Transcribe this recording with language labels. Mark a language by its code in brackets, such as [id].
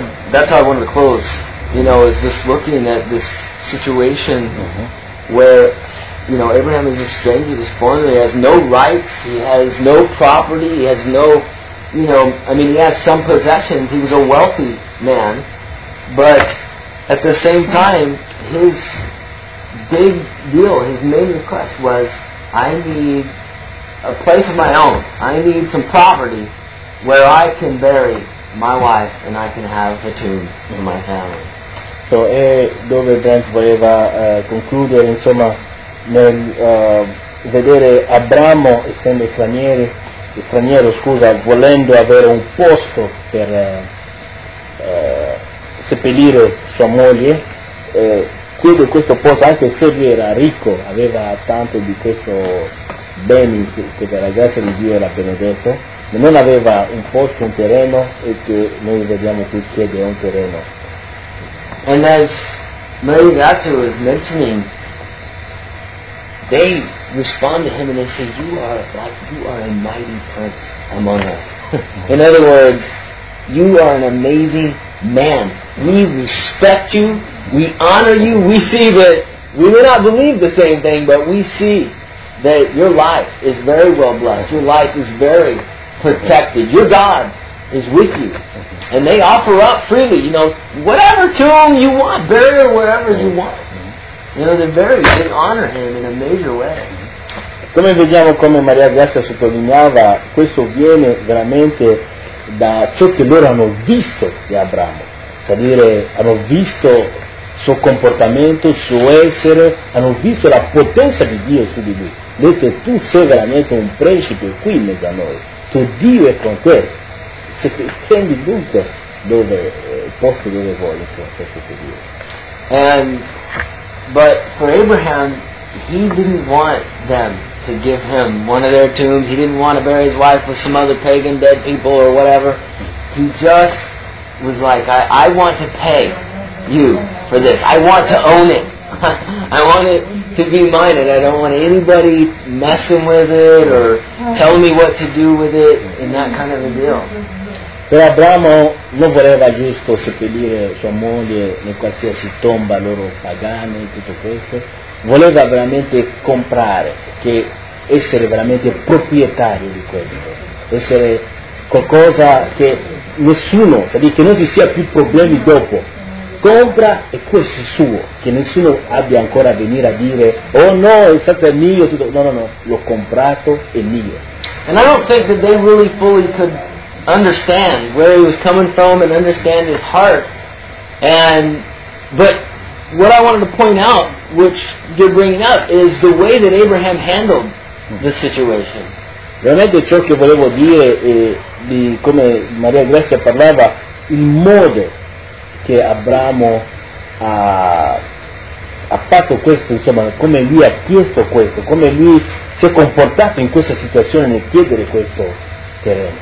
[en] That's how I want to close. You know, is just looking at this situation where, you know, Abraham is a stranger, this foreigner, he has no rights, he has no property, he has no, you know, I mean, he has some possessions, he was a wealthy man, but at the same time, his big deal, his main request was, I need a place of my own. I need some property where I can bury my wife and I can have a tomb in my family. [it] So, e dove Brent voleva concludere, insomma, nel vedere Abramo, essendo straniero, scusa, volendo avere un posto per seppellire sua moglie, chiede questo posto anche se lui era ricco, aveva tanto di questo bene che per la grazia di Dio era benedetto, ma non aveva un posto, un terreno, e che noi vediamo che chiede un terreno. [en] And as Mary Gatto was mentioning, they respond to him and they say, you are a mighty prince among us. In other words, you are an amazing man. We respect you, we honor you, we see that we may not believe the same thing, but we see that your life is very well blessed, your life is very protected, your God is with you. And they offer up freely, you know, whatever tomb you want, bury or wherever you want. You know, they honor him in a major way. [it] Come vediamo, come Maria Grazia sottolineava, questo viene veramente da ciò che loro hanno visto di Abramo, cioè dire, hanno visto il suo comportamento, il suo essere, hanno visto la potenza di Dio su di lui. Dice, tu sei veramente un principe qui in mezzo a noi, tuo Dio è con te, se ti prendi dunque dove posto dove vuoi, se questo è Dio. [en] But for Abraham, he didn't want them to give him one of their tombs. He didn't want to bury his wife with some other pagan dead people or whatever. He just was like, I want to pay you for this. I want to own it. I want it to be mine, and I don't want anybody messing with it or telling me what to do with it in that kind of a deal. [it] Però Abramo non voleva giusto seppellire sua moglie in qualsiasi tomba loro pagane e tutto questo, voleva veramente comprare, che essere veramente proprietario di questo, essere qualcosa che nessuno, cioè che non ci sia più problemi dopo, compra e questo è suo, che nessuno abbia ancora a venire a dire, oh no, è stato mio, tutto. No, l'ho comprato, è mio. [en] And I don't think that they really fully could understand where he was coming from and understand his heart, but what I wanted to point out, which you're bringing up, is the way that Abraham handled the situation. [it] Veramente ciò che volevo dire è di come Maria Grazia parlava, il modo che Abramo ha fatto questo, insomma, come lui ha chiesto questo, come lui si è comportato in questa situazione nel chiedere questo terreno.